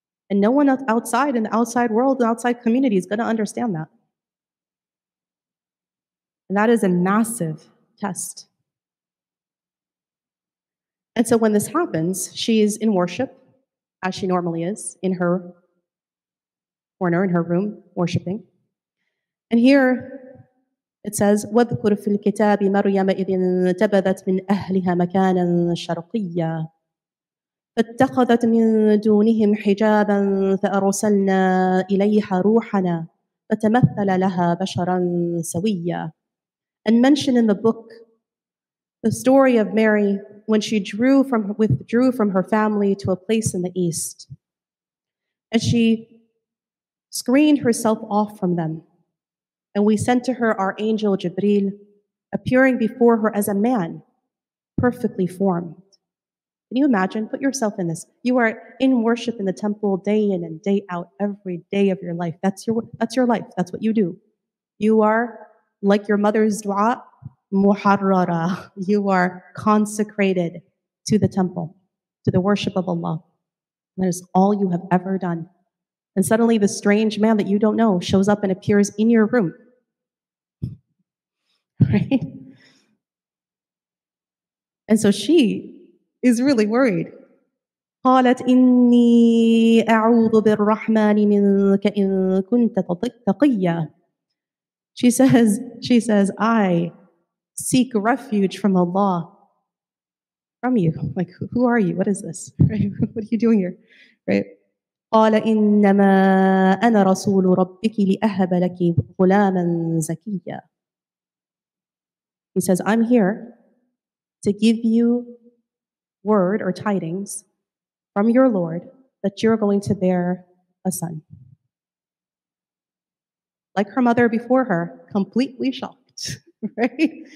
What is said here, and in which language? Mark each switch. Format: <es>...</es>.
<en>And no one outside in the outside world, the outside community is going to understand that. And that is a massive test. And so when this happens, she is in worship, as she normally is, in her corner, in her room, worshiping. And here it says,</en> <ar>وَذْكُرْ فِي الْكِتَابِ مَرْيَمَ إِذِ انْتَبَذَتْ مِنْ أَهْلِهَا مَكَانًا شَرْقِيًّا فاتخذت من دونهم حجابا فأرسلنا إليها روحنا فتمثل لها بشرا سويا.</ar> <en>And mentioned in the book the story of Mary when she withdrew from her family to a place in the east, and she screened herself off from them, and we sent to her our angel Jibril, appearing before her as a man, perfectly formed. Can you imagine? Put yourself in this. You are in worship in the temple day in and day out, every day of your life. That's your life. That's what you do. You are like your mother's dua, muharrara. You are consecrated to the temple, to the worship of Allah. That is all you have ever done. And suddenly the strange man that you don't know shows up and appears in your room. Right? And so she is really worried.</en> <ar>قالت إني أعوذ بالرحمن منك إن كنت تقيا.</ar> <en>She says, I seek refuge from Allah, from you. Like, who are you? What is this? What are you doing here? Right?</en> <ar>قال إنما أنا رسول ربك لأهب لك غلاما زكيا.</ar> <en>He says, I'm here to give you word or tidings from your Lord that you're going to bear a son. Like her mother before her, completely shocked, right?</en>